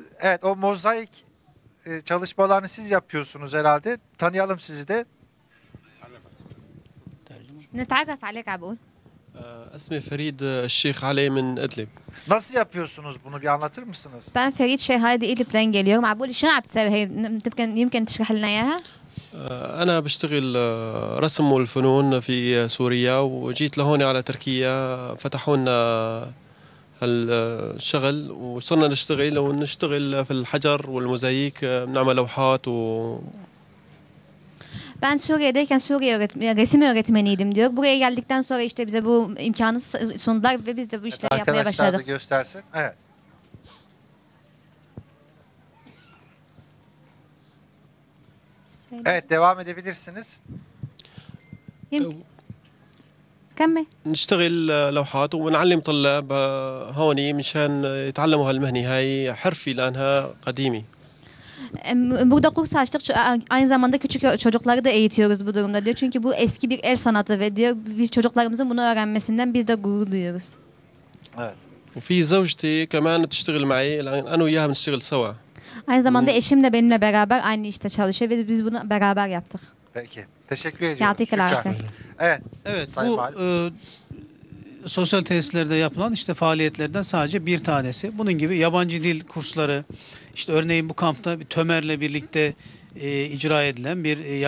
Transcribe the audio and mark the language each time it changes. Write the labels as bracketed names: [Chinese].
[Turkish] Evet, o mozaik çalışmalarını siz yapıyorsunuz herhalde. Tanıyalım sizi de. Ne tarif [Arabic] عليك [Turkish] abi? İsmim Ferid Şeyh Ali [Arabic] min [Turkish] İdlib. Nasıl yapıyorsunuz bunu? Bir anlatır mısınız? Ben Ferid Şeyh Ali İdlib'den geliyorum. Abi bu şunu yapıyor. [Arabic] Yemkin yemkin تشرح لنا اياها. انا بشتغل رسم والفنون في سوريا وجيت لهون على تركيا فتحوا لنا الشغل وصرنا نشتغل ونشتغل في الحجر والموزايك بنعمل لوحات و [Turkish] Ben Suriye'deyken Suriye resim öğretmeniydim diyor. Buraya geldikten sonra işte bize bu imkanı sundular ve biz de bu işleri evet, yapmaya başladık. Arkadaşlar da göstersin. Evet. Evet, devam edebilirsiniz. [Arabic] كمل نشتغل لوحات ونعلم طلاب هوني مشان يتعلموا هالمهنه هاي حرفي لانها قديمه [Turkish] burada kurs açtık, aynı zamanda küçük çocukları da eğitiyoruz bu durumda diyor, çünkü bu eski bir el sanatı ve diyor biz çocuklarımızın bunu öğrenmesinden biz de gurur duyuyoruz. Evet. [Arabic] في زوجتي كمان تشتغل معي انا وياها بنشتغل سوا. [Turkish] Aynı zamanda eşim de benimle beraber aynı işte çalışıyor ve biz bunu beraber yaptık. Peki. Teşekkür ediyorum. Evet. Evet. Bu sosyal tesislerde yapılan işte faaliyetlerden sadece bir tanesi. Bunun gibi yabancı dil kursları, işte örneğin bu kampta bir Tömer'le birlikte icra edilen bir